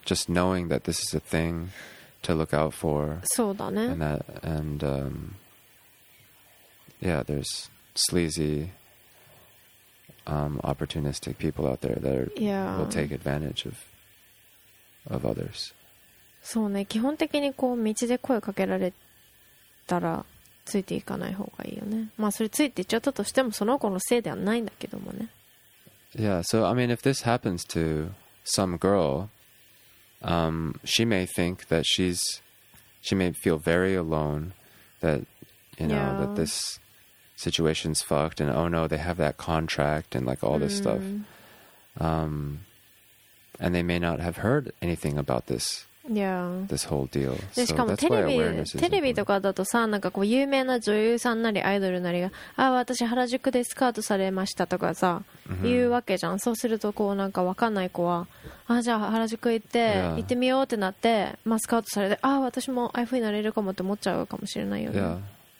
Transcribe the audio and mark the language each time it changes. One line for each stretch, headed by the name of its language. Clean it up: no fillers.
English: Just knowing that this is a thing to look out for.
Japanese: そうだね。
English: And, that, and yeah, there's sleazy, opportunistic people out there that are, will take advantage of others.
Japanese: そうね。基本的にこう道で声かけられたらついていかない方がいいよね。まあそれついていっちゃったとしてもその子のせいではないんだけどもね。
English: Yeah, so I mean, if this happens to some girl, she may think that she may feel very alone, that, you know, that this situation's fucked, and oh no, they have that contract and like all this stuff. And they may not have heard anything about this. Yeah. This whole deal.
Japanese: でしかもテレビとかだとさ、なんかこう有名な女優さんなりアイドルなりが、ああ私原宿でスカウトされましたとかさ、言うわけじゃん。そうするとこうなんか分かんない子は、あじゃあ原宿行って、行ってみようってなって、まあ、スカウトされて、ああ私もああいうふうになれるかもって思っちゃうかもしれないよね。